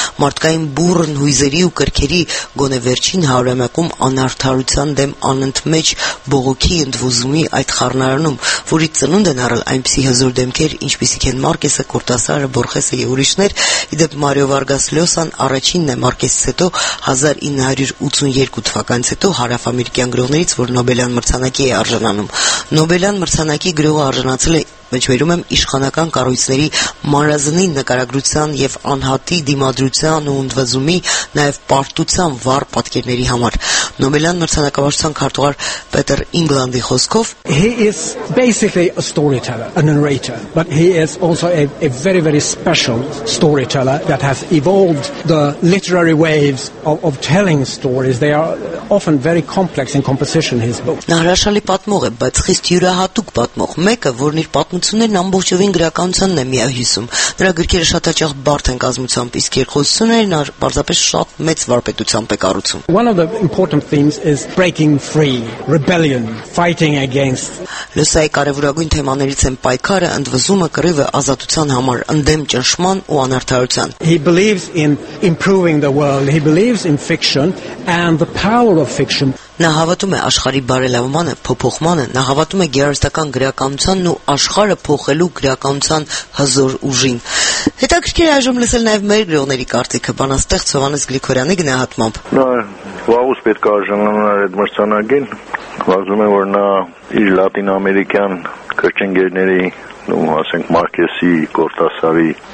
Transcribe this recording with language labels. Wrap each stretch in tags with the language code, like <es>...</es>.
<hy>մարդկային բուռն հույզերի ու կրքերի գոնե վերջին հարյուրամյակում անարդարության դեմ անընդմեջ բողոքի ընդվուզումի այդ խառնարանում, որի ծնունդ են առել այնպիսի հզոր դեմքեր, ինչպիսիք են Մարկեսը, Կորտասարը, Բորխեսը և ուրիշներ, իդեպ Մարիո Վարգաս Լյոսան առաջինն է Մարկեսից հետո 1982 թվականից հետո հարավամերիկյան գրողներից, որ Նոբելյան մրցանակի է արժանանում։ Նոբելյան մրցանակի գրողը արժանացել է մեջբերում եմ իշխանական կառույցների մանրազնին նկարագրության և անհատի դիմադրության ու ընդվզումի, նաև պարտության վառ պատկերների համար։ Նոբելյան մրցանակավարության քարտուղար Պետր Ինգլանդի խոսքով.</hy> <en>He is basically a storyteller, a narrator, but he is also a very, very special storyteller that has evolved the literary waves of telling stories. They are often very complex in composition, his books.</en> <hy>Նա հրաշալի պատմող է, բայց խիստ յուրահատուկ պատմող, մեկը, որն իր պատմություններն ամբողջովին գրականությանն է միահյուսում։ Նրա գրքերը շատ հաճախ բարդ են կազմությամբ, իսկ երկխոսությունները նա պարզապես շատ մեծ վարպետությամբ է կառուցում։</hy> <en>One of the important themes is breaking free, rebellion, fighting against.</en> <hy>Լսայի կարևորագույն թեմաներից են պայքարը, ընդվզումը, կռիվը ազատության համար, ընդդեմ ճնշման ու անարդարության։</hy> <en>He believes in improving the world. He believes in fiction and the power of fiction.</en> <hy>Նա հավատում է աշխարհի բարելավմանը, փոփոխմանը, նա հավատում է գերարտական գրականությանն ու աշխարհը փոխելու գրականության հզոր ուժին։ Հետաքրքիր է այժմ լսել նաև մեր գրողների կարծիքը, բանաստեղծ Հովհաննես Գրիգորյանի գնահատմամբ։ Նա վաղուց պետք է արժանանար այդ մրցանակին, կարծում եմ, որ նա իր լատինամերիկյան կրկնգերների, նո՞ւմ ասենք Մարկեսի, Կորտասարի,</hy>